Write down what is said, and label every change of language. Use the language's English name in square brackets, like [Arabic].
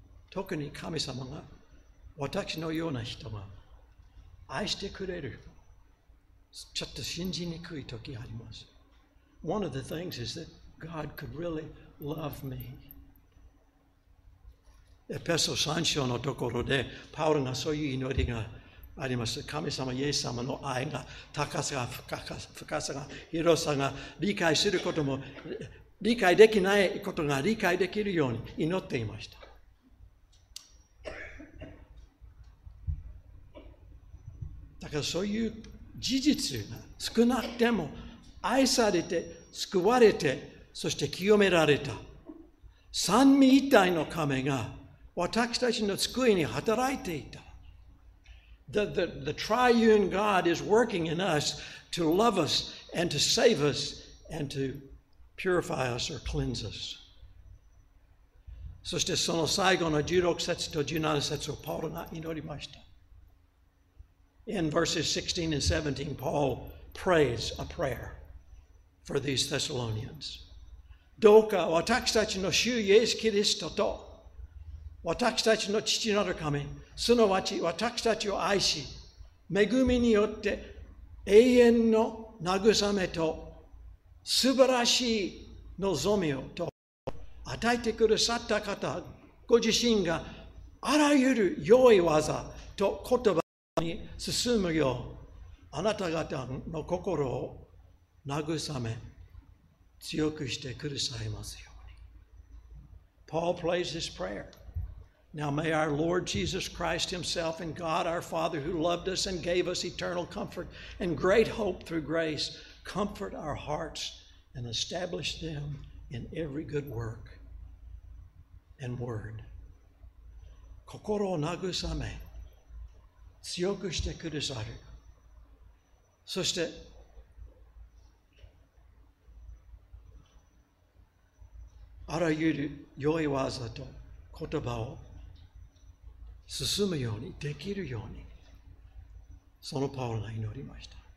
[Japanese] 特に神様が私のような人が愛してくれる、ちょっと信じにくい時あります。 [English] One of the things is that God could really love me. [Japanese] エペソ3章のところで、パウロがそういう祈りがあります。神様、イエス様の愛が高さが深さが広さが理解することも理解できないことが理解できるように祈っていました。だからそういう事実が少なくても愛されて救われてそして清められた三位一体の神が私たちの救いに働いていた。 [English] The triune God is working in us to love us and to save us and to purify us or cleanse us。 [Japanese] そしてその最後の16節と17節をパウロが祈りました。 [English] In verses 16 and 17, Paul prays a prayer for these Thessalonians. [Japanese] どうか私たちの主イエス・キリストと私たちの父なる神、すなわち私たちを愛し、恵みによって永遠の慰めと素晴らしい望みをと与えてくださった方、ご自身があらゆる良い技と言葉に進むようあなた方の心を慰め強くしてくださいますように。 [English] Paul prays his prayer. Now may our Lord Jesus Christ himself and God our Father who loved us and gave us eternal comfort and great hope through grace comfort our hearts and establish them in every good work and word. [Japanese] 心を慰め強くしてくださる。そして、あらゆる良い技と言葉を進むように、できるように、そのパウロが祈りました。